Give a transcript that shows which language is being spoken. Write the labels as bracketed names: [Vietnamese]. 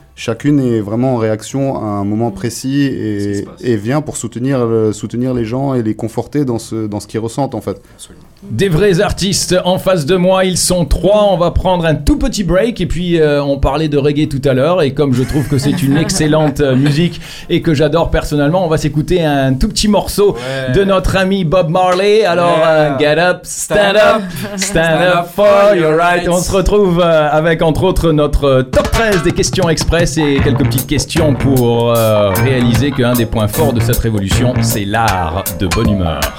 [French] Chacune est vraiment en réaction à un moment précis et vient pour soutenir les gens et les conforter dans ce qu'ils ressentent, en fait. Des vrais artistes en face de moi, ils sont trois. On va prendre un tout petit break et puis on parlait de reggae tout à l'heure. Et comme je trouve que c'est une excellente musique et que j'adore personnellement, on va s'écouter un tout petit morceau de notre ami Bob Marley. Alors, [English] get up, stand up for your rights. [French] On se retrouve avec, entre autres, notre top 13 des questions express et quelques petites questions pour réaliser qu'un des points forts de cette révolution, c'est l'art de bonne humeur.